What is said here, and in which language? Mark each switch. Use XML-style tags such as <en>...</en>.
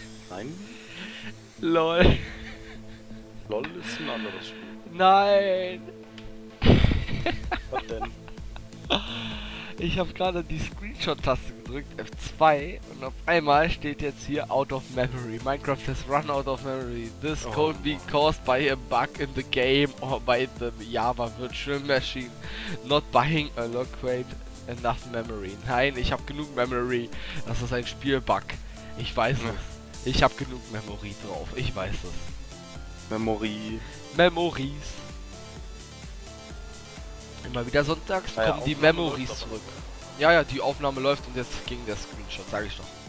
<de>Nein? Lol. LOL ist ein anderes Spiel. Nein! Was denn? Ich habe gerade die Screenshot-Taste gedrückt, F2, und auf einmal steht jetzt hier Out of Memory.</de> <en>Minecraft has run out of memory. This could be caused by a bug in the game or by the Java Virtual Machine. Not buying allocate enough memory.</en> <de>Nein, ich habe genug Memory. Das ist ein Spielbug. Ich weiß es. Ich habe genug Memory drauf. Ich weiß es.</de> <en>Memories.</en> <de>Immer wieder sonntags kommen die Memories zurück. Ja, die Aufnahme läuft und jetzt ging der Screenshot, sag ich doch.</de>